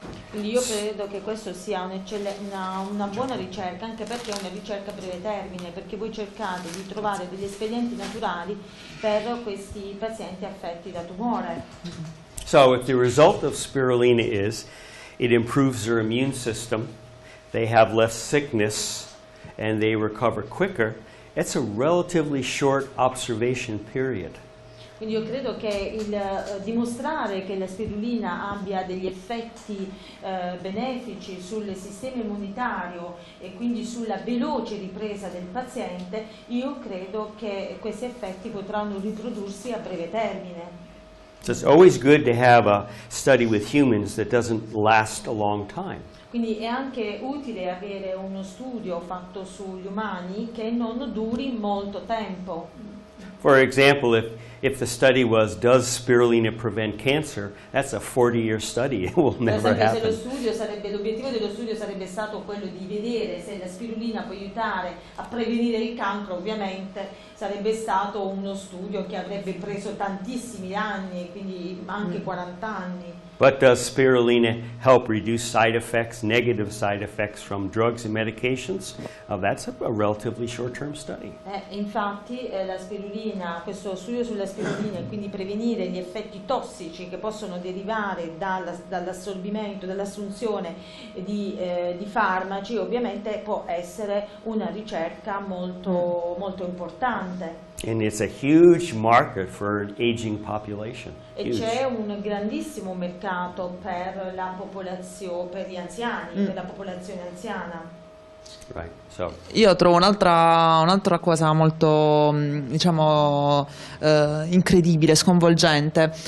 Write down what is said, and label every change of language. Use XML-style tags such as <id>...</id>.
<it>Quindi io credo che questo sia una buona ricerca, anche perché è una ricerca a breve termine, perché voi cercate di trovare degli espedienti naturali per questi pazienti affetti da tumore.</it> <en>So if the result of spirulina is it improves their immune system, they have less sickness and they recover quicker, it's a relatively short observation period.</en> <it>Quindi io credo che il dimostrare che la spirulina abbia degli effetti benefici sul sistema immunitario e quindi sulla veloce ripresa del paziente, io credo che questi effetti potranno riprodursi a breve termine.</it> <en>So it's always good to have a study with humans that doesn't last a long time.</en> <it>Quindi è anche utile avere uno studio fatto sugli umani che non duri molto tempo.</it> <en>For example, if the study was does spirulina prevent cancer, that's a 40-year study. It will never happen.</en> <it>Se lo studio sarebbe l'obiettivo dello studio sarebbe stato quello di vedere se la spirulina può aiutare a prevenire il cancro, ovviamente sarebbe stato uno studio che avrebbe preso tantissimi anni, quindi anche 40 anni.</it> <en>But does spirulina help reduce side effects, negative side effects from drugs and medications? That's a relatively short-term study.</en> <it>Infatti, la spirulina, questo studio sulla spirulina, quindi prevenire gli effetti tossici che possono derivare dall'assorbimento, dall'assunzione di farmaci, ovviamente può essere una ricerca molto, molto importante.</it> <en>And it's a huge market for an aging population.</en> <it>E c'è un grandissimo mercato per la popolazione, per gli anziani, per la popolazione anziana.</it> <en>Right. So.</en> <it>Io trovo un'altra cosa molto, diciamo, incredibile, sconvolgente.</it>